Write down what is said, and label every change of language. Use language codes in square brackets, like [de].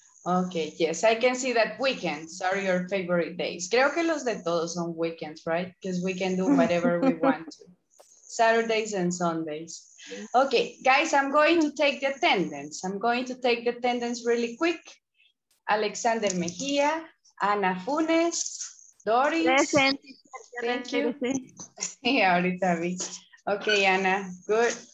[en] Okay, yes, I can see that weekends are your favorite days. [es] Creo que los de todos son weekends, [en] right? Because we can do whatever we want to. Saturdays and Sundays. Okay, guys, I'm going to take the attendance. I'm going to take the attendance really quick. Alexander Mejia, Ana Funes, Doris. Present. Thank you. Yeah, [es] ahorita vi. [en] Okay, Ana, good.